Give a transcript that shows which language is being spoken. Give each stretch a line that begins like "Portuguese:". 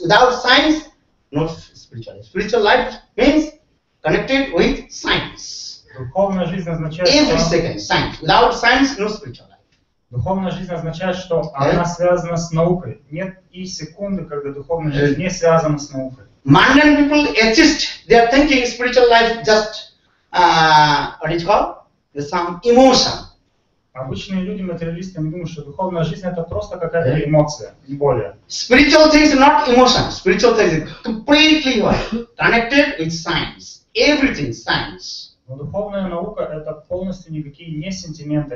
English: Without science, no spiritual life. Spiritual life means connected with science.
Russian: Духовная жизнь означает,
English: что... Every second, science. Without science, no spiritual life.
Russian: Духовная жизнь означает, что она связана с наукой. Нет и секунды, когда духовная жизнь не связана с наукой.
English: Modern people exist, they are thinking spiritual life just what is called? Some emotion.
Russian: Обычные люди, материалисты, они думают, что духовная жизнь это просто какая-то эмоция, не более.
English: Spiritual things are not emotion. Spiritual things are completely connected with science. Everything science.
Russian: Но духовная наука это полностью никакие не сентименты.